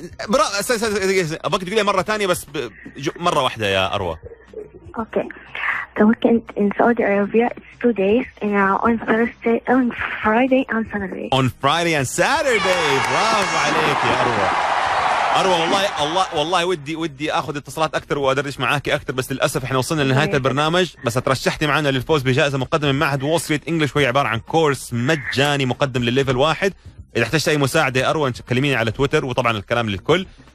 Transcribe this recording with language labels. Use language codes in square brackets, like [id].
[ar] برا سس أبغاك تقولي مرة تانية بس مرة واحدة يا أروى. [en] Okay, the weekend in Saudi Arabia is 2 days and on Thursday, on Friday and Saturday. On Friday and Saturday. [ar] برافو عليك يا أروى. أروى والله الله والله ودي أخذ اتصالات أكثر وأدردش معاك أكثر, بس للأسف إحنا وصلنا لنهاية البرنامج. بس ترشحتي معنا للفوز بجائزة مقدمة من معهد وول ستريت إنجليش, وهي عبارة عن كورس مجاني مقدم لليفل واحد. إذا احتجت أي مساعدة أروى كلميني على تويتر, وطبعا الكلام للكل.